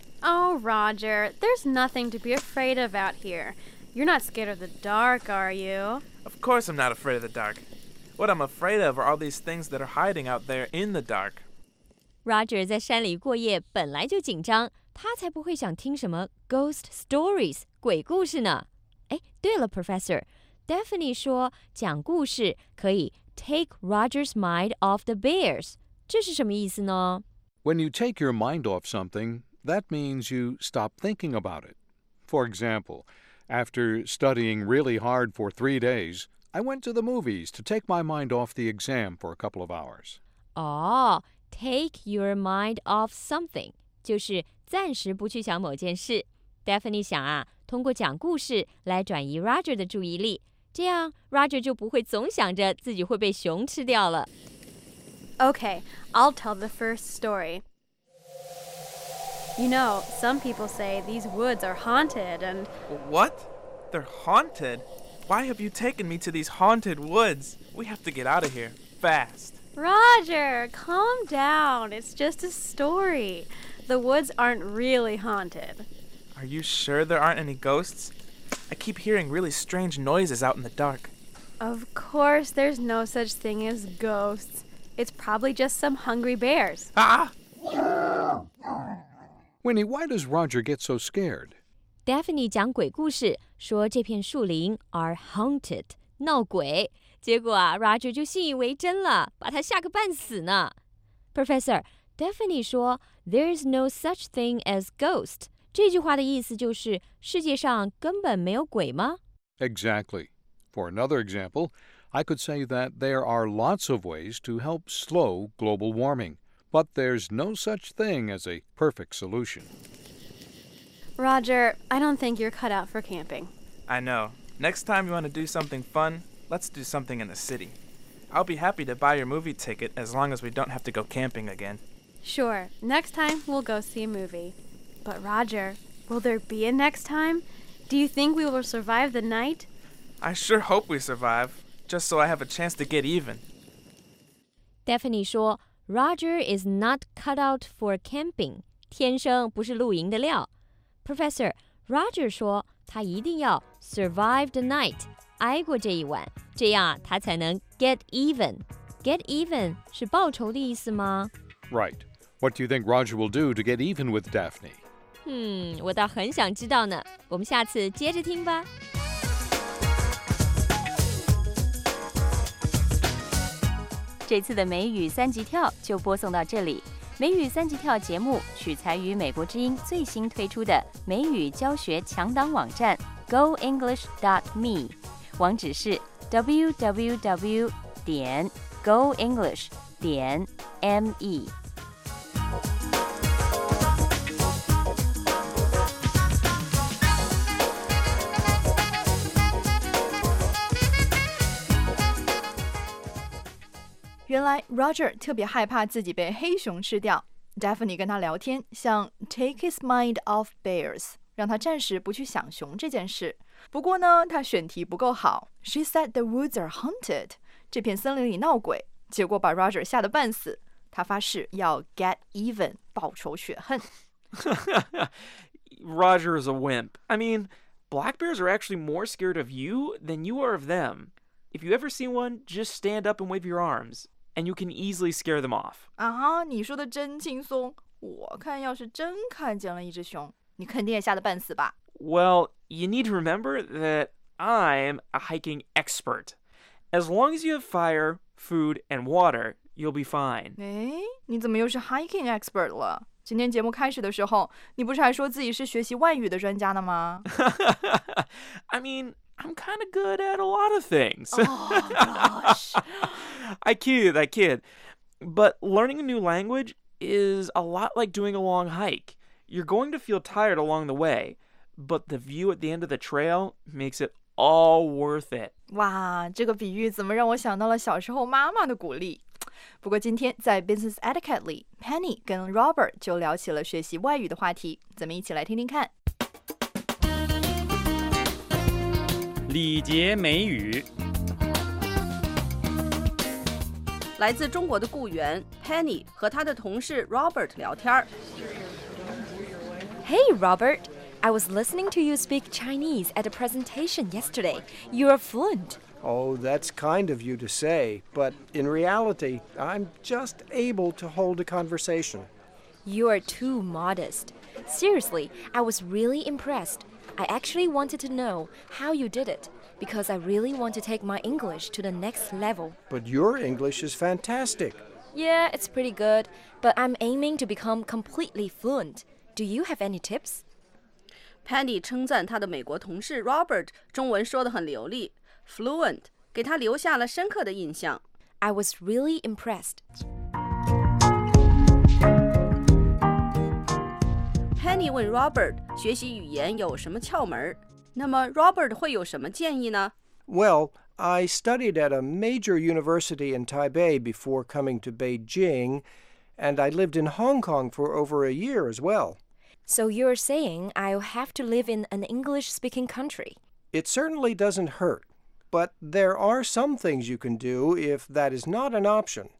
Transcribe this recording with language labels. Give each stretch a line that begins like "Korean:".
English: Oh, Roger, there's nothing to be afraid of out here. You're not scared of the dark, are you? Of course I'm not afraid of the dark. What I'm afraid of are all these things that are hiding out there in the dark.
Chinese: Roger 在山里过夜本来就紧张，他才不会想听什么
English: ghost stories,
Chinese: 鬼故事呢。哎，对了 ,Professor, Daphne 说讲故事可以
English: take Roger's mind off the bears,
Chinese: 这是什么意思呢？
English: When you take your mind off something, that means you stop thinking about it. For example, after studying really hard for 3 days, I went to the movies to take my mind off the exam for a couple of hours. Oh, take your mind off something,
Chinese: 就是暂时不去想某件事。 Daphne 想啊，通过讲故事来转移 Roger 的注意力，这样 Roger 就不会总想着自己会被熊吃掉了。
English: Okay, I'll tell the first story. You know, some people say these woods are haunted and... What? They're haunted? Why have you taken me to these haunted woods? We have to get out of here, fast. Roger, calm down. It's just a story. The woods aren't really haunted. Are you sure there aren't any ghosts? I keep hearing really strange noises out in the dark. Of course there's no such thing as ghosts. It's probably just some hungry bears. Ah! Winnie, why does Roger get so scared?
Chinese: Daphne 讲鬼故事说这片树林
English: are haunted,
Chinese: 闹鬼。结果啊 Roger 就信以为真了，把他吓个半死呢。
English: Professor, Daphne 说 there's no such thing as ghost.
Chinese: 这句话的意思就是世界上根本没有鬼吗？
English: Exactly. For another example, I could say that there are lots of ways to help slow global warming, but there's no such thing as a perfect solution. Roger, I don't think you're cut out for camping. I know. Next time you want to do something fun, let's do something in the city. I'll be happy to buy your movie ticket as long as we don't have to go camping again. Sure. Next time, we'll go see a movie. But Roger, will there be a next time? Do you think we will survive the night? I sure hope we survive, just so I have a chance to get even. Daphne 说 Roger is not cut out for camping,
Chinese: 天生不是露营的料。 Professor, Roger 说他一定要
English: survive the night,
Chinese: 挨过这一晚，这样他才能
English: get even.
Chinese: Get even 是报仇的意思吗？
English: Right. What do you think Roger will do to get even with Daphne?
Chinese: 我倒很想知道呢，我们下次接着听吧。这次的美语三级跳就播送到这里。美语三级跳节目取材于美国之音最新推出的美语教学强档网站 goenglish.me， 网址是 www.goenglish.me。原来 Roger 特别害怕自己被黑熊吃掉。Daphne 跟他聊天，像
English: take his mind off bears，
Chinese: 让他暂时不去想熊这件事。不过呢，他选题不够好。
English: She said the woods are haunted，
Chinese: 这片森林里闹鬼，结果把 Roger 吓得半死。他发誓要
English: get even，
Chinese: 报仇雪恨。
English: Roger is a wimp. I mean, black bears are actually more scared of you than you are of them. If you ever see one, just stand up and wave your arms, and you can easily scare them off.
Chinese: 啊，你说的真轻松。我看要是真看见了一只熊，你肯定也吓得半死吧。
English: Well, you need to remember that I'm a hiking expert. As long as you have fire, food, and water, you'll be fine.
Chinese: 哎，你怎么又是
English: hiking expert
Chinese: 了？今天节目开始的时候，你不是还说自己是学习外语的专家呢吗？
English: I mean... I'm kind of good at a lot of things. Oh, gosh. I kid. But learning a new language is a lot like doing a long hike. You're going to feel tired along the way, but the view at the end of the trail makes it all worth it.
Chinese: 哇，这个比喻怎么让我想到了小时候妈妈的鼓励。不过今天在 Business Etiquette 里， Penny 跟 Robert 就聊起了学习外语的话题，咱们一起来听听看。礼节美语。来自中国的雇员 Penny 和他的同事 Robert 聊天。
English: Hey Robert, I was listening to you speak Chinese at a presentation yesterday. You are fluent. Oh, that's kind of you to say, but in reality, I'm just able to hold a conversation. You are too modest. Seriously, I was really impressed. I actually wanted to know how you did it. Because I really want to take my English to the next level. But your English is fantastic. Yeah, it's pretty good. But I'm aiming to become completely fluent. Do you have any tips?
Chinese: Penny 称赞他的美国同事 Robert 中文说得很流利 ，fluent 给他留下了深刻的印象。
English: I was really impressed.
Chinese: Penny 问 Robert 学习语言有什么窍门？那么 Robert 会有什么建议呢
English: ？Well, I studied at a major university in Taipei before coming to Beijing, and I lived in Hong Kong for over a year as well. So you're saying I'll have to live in an English-speaking country? It certainly doesn't hurt, but there are some things you can do if that is not an option.